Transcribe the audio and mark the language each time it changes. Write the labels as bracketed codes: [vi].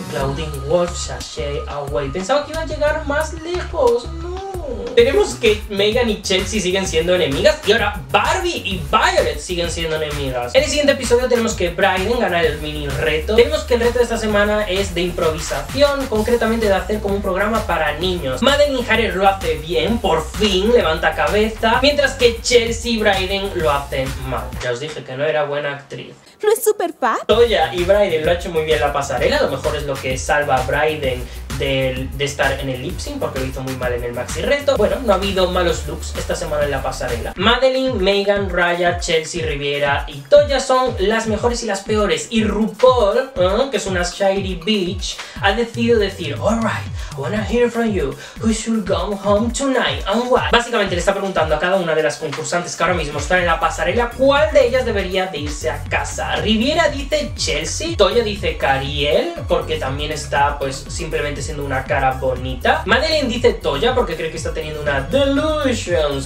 [en] Claudine Wolf sashay away. [es] Pensaba que iba a llegar más lejos. No. Tenemos que Megan y Chelsea siguen siendo enemigas y ahora Barbie y Violet siguen siendo enemigas. En el siguiente episodio tenemos que Bryden gana el mini reto. Tenemos que el reto de esta semana es de improvisación, concretamente de hacer como un programa para niños. Madeline Harrod lo hace bien, por fin levanta cabeza, mientras que Chelsea y Bryden lo hacen mal. Ya os dije que no era buena actriz. ¿No es super fat? Toya y Bryden lo ha hecho muy bien la pasarela, a lo mejor es lo que salva a Bryden de estar en el lip sync porque lo hizo muy mal en el maxi reto. Bueno, no ha habido malos looks esta semana en la pasarela. Madeline, Megan, Raya, Chelsea, Rivera y Toya son las mejores y las peores. Y RuPaul, que es una shady bitch, ha decidido decir: [en] alright, I wanna hear from you. Who should go home tonight and why? [es] Básicamente le está preguntando a cada una de las concursantes que ahora mismo están en la pasarela cuál de ellas debería de irse a casa. Riviera dice Chelsea. Toya dice Kariel, porque también está pues simplemente siendo una cara bonita. Madeline dice Toya porque cree que está teniendo una delusions.